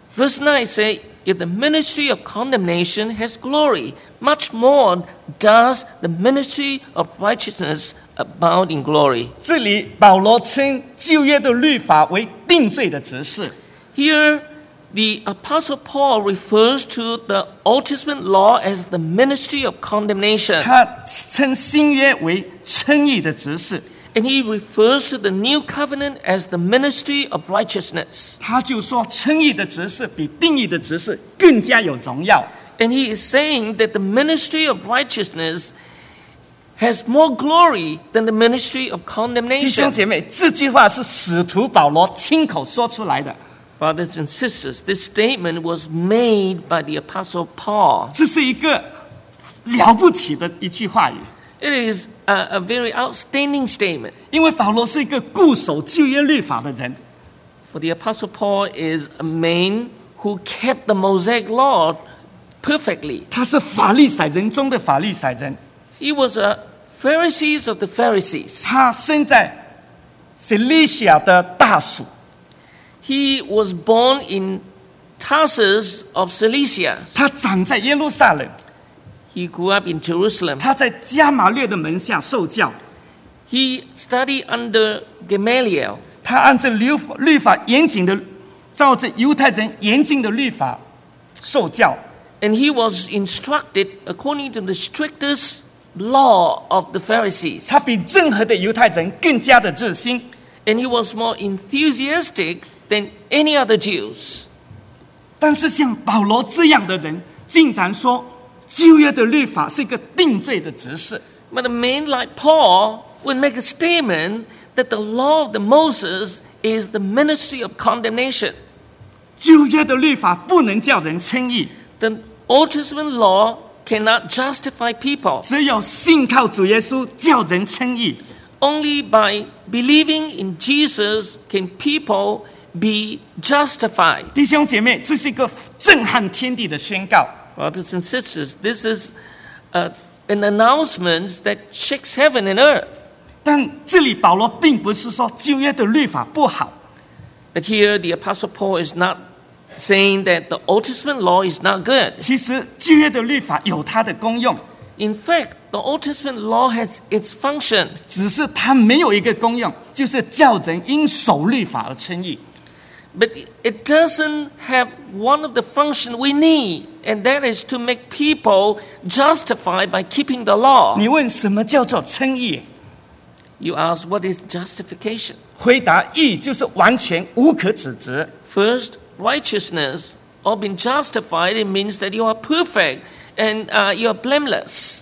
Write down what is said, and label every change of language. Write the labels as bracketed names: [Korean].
[English] Verse 9 says, if the ministry of condemnation has glory, much more does the ministry of righteousness abound in glory. [Chinese] 这里保罗称旧约的律法为定罪的职事。 [English] Here, the Apostle Paul refers to the Old Testament law as the ministry of condemnation. [Chinese] 他称新约为称义的职事。 [English] And he refers to the new covenant as the ministry of righteousness. [Chinese] 他就说称义的职事比定义的职事更加有荣耀。 [English] And he is saying that the ministry of righteousness has more glory than the ministry of condemnation. [Chinese] 弟兄姐妹，这句话是使徒保罗亲口说出来的。 [English] Brothers and sisters, this statement was made by the Apostle Paul. [Chinese] 这是一个了不起的一句话语。 [English] It is a very outstanding statement. [Chinese] 因为保罗是一个固守旧约律法的人。 [English] For the Apostle Paul is a man who kept the Mosaic law perfectly. [Chinese] 他是法利赛人中的法利赛人。 [English] He was a Pharisee of the Pharisees. [Chinese] 他生在Cilicia的大属。 [English] He was born in Tarsus of Cilicia. [Chinese] 他长在耶路撒冷。 [English] He grew up in Jerusalem. [Chinese] 他在加玛略的门下受教。 [English] He studied under Gamaliel. [Chinese] 他按照律法严谨的，照着犹太人严谨的律法受教。 [English] And he was instructed according to the strictest law of the Pharisees. [Chinese] 他比任何的犹太人更加的热心。 [English] And he was more enthusiastic than any other Jews. [Chinese] 但是像保罗这样的人竟然说旧约的律法是一个定罪的职事。 [English] But a man like Paul would make a statement that the law of the Moses is the ministry of condemnation. [Chinese] 旧约的律法不能叫人称义。 [English] The Old Testament law cannot justify people. [Chinese] 只有信靠主耶稣叫人称义。 [English] Only by believing in Jesus can people be justified. [Chinese] 弟兄姐妹，这是一个震撼天地的宣告。 [English] Brothers and sisters, this is an announcement that shakes heaven and earth. [Chinese] 但这里保罗并不是说旧约的律法不好。 [English] But here the Apostle Paul is not saying that the Old Testament law is not good. [Chinese] 其实旧约的律法有它的功用。 [English] In fact, the Old Testament law has its function. [Chinese] 只是它没有一个功用，就是叫人因守律法而称义。 [English] But it doesn't have one of the functions we need, and that is to make people justified by keeping the law. [Chinese] 你问什么叫做称义？ [English] You ask what is justification. [Chinese] 回答义就是完全无可指责。 [English] First, righteousness or being justified, it means that you are perfect and you are blameless.